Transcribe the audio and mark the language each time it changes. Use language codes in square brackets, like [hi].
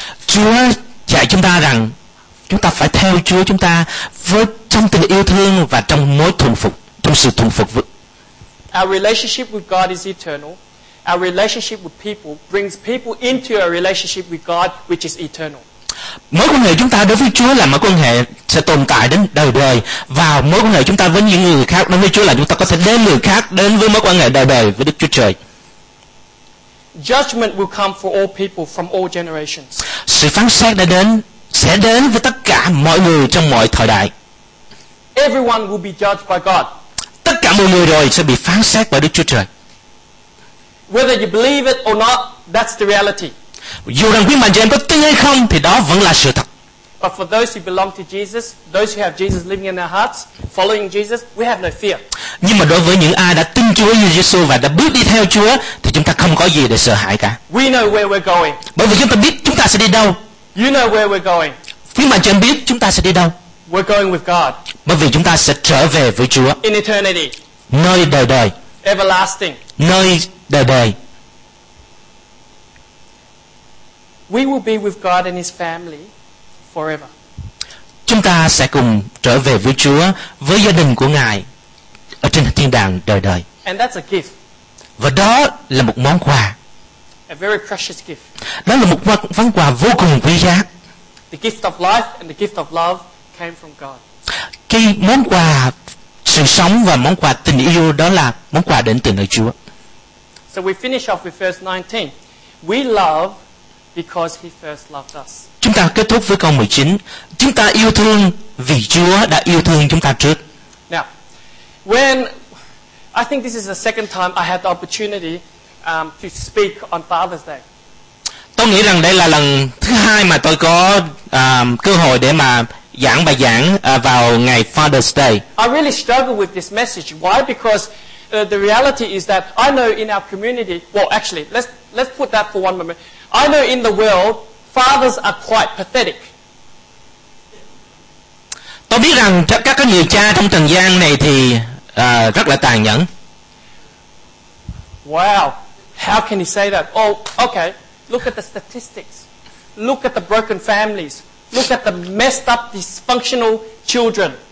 [vi] Chúa dạy chúng ta rằng chúng ta phải theo Chúa chúng ta với trong tình yêu thương và trong mối thuận phục, trong sự thuận phục. [en] Our relationship with God is eternal. Our relationship with people brings people into a relationship with God, which is eternal. [vi] Mối quan hệ chúng ta đối với Chúa là mối quan hệ sẽ tồn tại đến đời đời, và mối quan hệ chúng ta với những người khác đối với Chúa là chúng ta có thể đem người khác đến với mối quan hệ đời đời với Đức Chúa Trời. [en] Judgment will come for all people from all generations. [vi] Sự phán xét đã đến, sẽ đến với tất cả mọi người trong mọi thời đại. [en] Everyone will be judged by God. [vi] Tất cả mọi người rồi sẽ bị phán xét bởi Đức Chúa Trời. [en] Whether you believe it or not, that's the reality. [vi] Dù rằng quý mạng cho em có tin hay không thì đó vẫn là sự thật. [en] But for those who belong to Jesus, those who have Jesus living in their hearts, following Jesus, we have no fear. [vi] Nhưng mà đối với những ai đã tin Chúa Giêsu và đã bước đi theo Chúa thì chúng ta không có gì để sợ hãi cả. [en] We know where we're going. [vi] Bởi vì chúng ta biết chúng ta sẽ đi đâu. [en] You know where we're going. [vi] Khi mà chúng biết chúng ta sẽ đi đâu. [en] We're going with God. [vi] Bởi vì chúng ta sẽ trở về với Chúa. [en] In eternity. [vi] Nơi đời đời. [en] Everlasting. [vi] Nơi đời đời. [en] We will be with God and his family forever. [vi] Chúng ta sẽ cùng trở về với Chúa, với gia đình của Ngài ở trên thiên đàng đời đời. [en] And that's a gift. [vi] Và đó là một món quà. [en] A very precious gift. [vi] Đó là một món quà vô cùng quý giá. [en] The gift of life and the gift of love came from God. [vi] Cái món quà sự sống và món quà tình yêu đó là món quà đến từ nơi Chúa. [en] So we finish off with verse 19. We love because he first loved us. [vi] Chúng ta kết thúc với câu 19. Chúng ta yêu thương vì Chúa đã yêu thương chúng ta trước. [en] Now, when I think this is the second time I had the opportunity to speak on Father's Day. [vi] Tôi nghĩ rằng đây là lần thứ hai mà tôi có cơ hội để mà giảng bài giảng vào ngày Father's Day. [en] I really struggle with this message. Why? Because the reality is that I know in our community, well actually, let's put that for one moment. I know in the world, fathers are quite pathetic. [vi] Tôi biết rằng các người cha trong trần gian này thì rất là tàn nhẫn. [en] Wow, how can you say that? Oh, okay, look at the statistics. Look at the broken families. Look at the messed up dysfunctional children.